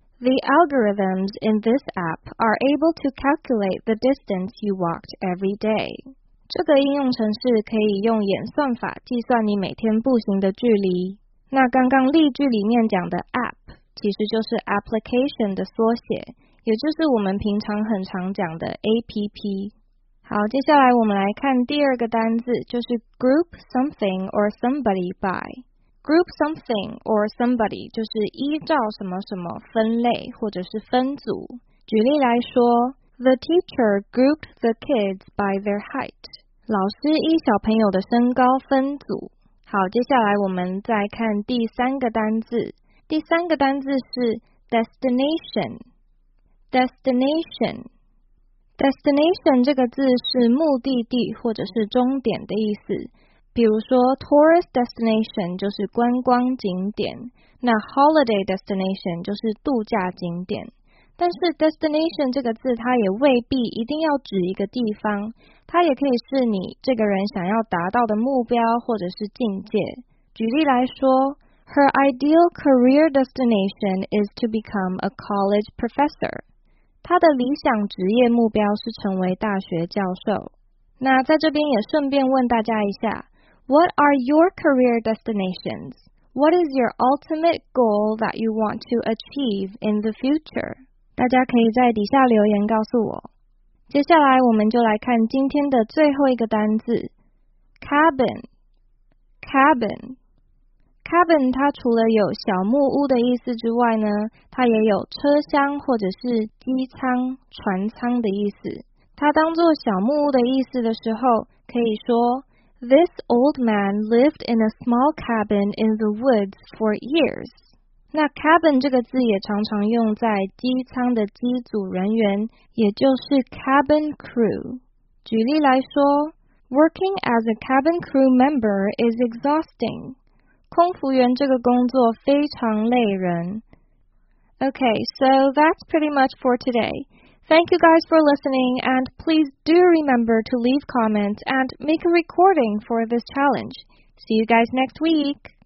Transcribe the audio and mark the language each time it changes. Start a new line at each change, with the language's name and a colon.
English: The algorithms in this app are able to calculate the distance you walked every day。
Chinese: 这个应用程式可以用演算法计算你每天步行的距离。那刚刚例句里面讲的 app其实就是 application 的缩写，也就是我们平常很常讲的 APP。好，接下来我们来看第二个单字，就是
English: group something or somebody by。 group something or somebody
Chinese: 就是依照什么什么分类或者是分组。举例来说，
English: The teacher grouped the kids by their height。
Chinese: 老师依小朋友的身高分组。好，接下来我们再看第三个单字，第三个单字是 destination， destination， destination 这个字是目的地或者是终点的意思。比如说 tourist destination 就是观光景点，那 holiday destination 就是度假景点。但是 destination 这个字它也未必一定要指一个地方，它也可以是你这个人想要达到的目标或者是境界。举例来说，
English: Her ideal career destination is to become a college professor.
Chinese: 她的理想职业目标是成为大学教授。那在这边也顺便问大家一下，
English: What are your career destinations? What is your ultimate goal that you want to achieve in the future?
Chinese: 大家可以在底下留言告诉我。接下来我们就来看今天的最后一个单字， Cabin， Cabin。 Cabin 它除了有小木屋的意思之外呢，它也有车厢或者是机舱、船舱的意思。它当作小木屋的意思的时候，可以说
English: This old man lived in a small cabin in the woods for years.
Chinese: 那 cabin 这个字也常常用在机舱的机组人员，也就是 cabin crew。举例来说
English: ，Working as a cabin crew member is exhausting.
Chinese: 空服员这个工作非常累人。
English: Okay, so that's pretty much for today. Thank you guys for listening, and please do remember to leave comments and make a recording for this challenge. See you guys next week!